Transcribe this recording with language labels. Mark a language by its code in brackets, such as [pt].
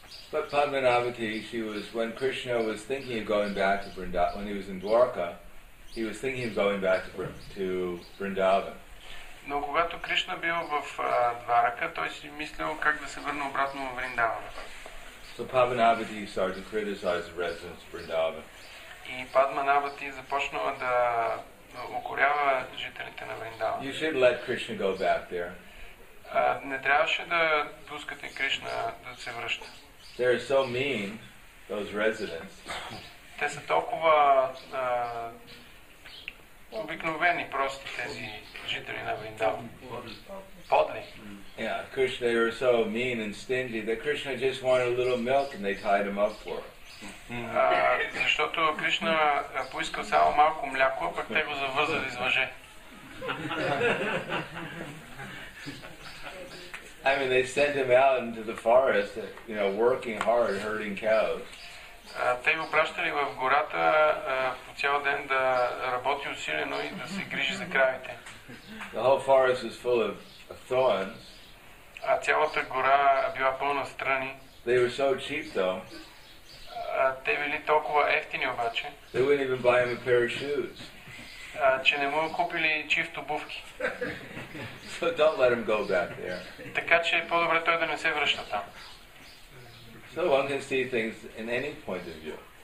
[en] But Padmanavati, she was when Krishna was thinking of going back to Vrindavan, when he was in Dwarka, he was thinking of going back to Vrindavan. [bg] Но когато Кришна бил в Дварака, той си мислил как да се върне обратно в Вриндавана. [en] So Padmanavati started to criticize the residents of Vrindavan. [bg] И Падманавати започнала да укорява жителите на Вриндаван. [en] You should let Krishna go back there. [bg] Не трябваше да пускате Кришна да се връща. [en] They are so mean, those residents. [bg] Те са толкова обикновени просто тези жители на Вриндаван. Подли. [en] Yeah, Krishna, they were so mean and stingy that Krishna just wanted a little milk and they tied him up for it. [bg] Защото Кришна поискал само малко мляко, а пък те го завързали с въже. [en] I mean, they sent him out into the forest, you know, working hard, herding cows. [bg] Те го пращали в гората по цял ден да работи усилено и да се грижи за кравите. [en] The whole forest was full of thorns. [bg] А цялата гора била пълна с трани. [en] They were so cheap, though. [bg] Те били толкова евтини обаче. [en] They wouldn't even buy him a pair of shoes. [bg] Че не му купили чифт обувки. [en] So don't let him go back there. [bg] Така че по-добре той да не се връща там. [en] So one can see things in any point of view.